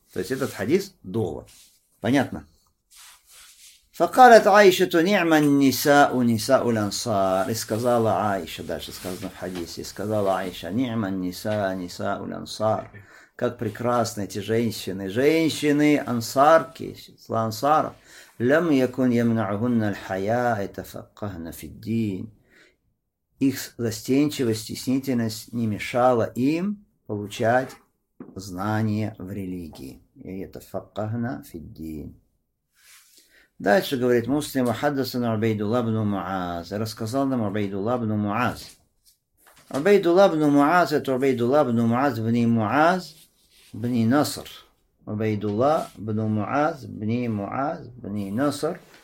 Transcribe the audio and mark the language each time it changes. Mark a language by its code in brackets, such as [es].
[ru] То есть этот хадис – довод. Понятно? [ar] فقالت عائشة نعم النساء نساء الأنصار [ru] сказала Аиша, дальше сказано в хадисе, сказала Аиша [ar] نعم النساء نساء الأنصار, [ru] как прекрасны эти женщины, женщины ансарки, числа ансаров. [ar] لم يكن يمنعهن الحياء تفقهن في الدين, [ru] их застенчивость, стеснительность не мешала им получать знания в религии. И это [ar] تفقهن في الدين. [ru] Дальше говорит муслим, хаддасана Убейдулла ибн Муаз, рассказал нам Убейдулла ибн Муаз. Убейдулла ибн Муаз, это Убейдулла ибн Муаз бни Муаз бни Наср. Убейдулла ибн Муаз бни Муаз бни Наср.